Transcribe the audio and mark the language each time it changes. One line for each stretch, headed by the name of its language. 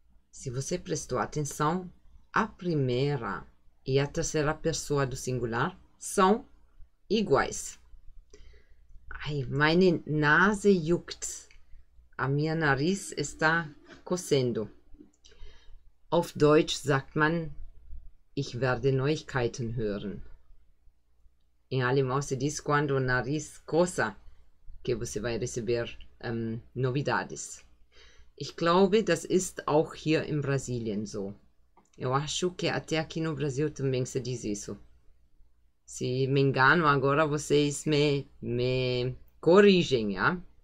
Portuguese: Se você prestou atenção, a primeira e a terceira pessoa do singular são iguais.
German: Ai, meine Nase juckt.
Portuguese: A minha nariz está coçando.
German: Auf Deutsch sagt man, ich werde Neuigkeiten hören.
Portuguese: Em alemão se diz quando o nariz coça, que você vai receber novidades.
German: Ich glaube, das ist auch hier in Brasilien so.
Portuguese: Eu acho que até aqui no Brasil também se diz isso. Se me engano, agora vocês me corrigem, ja?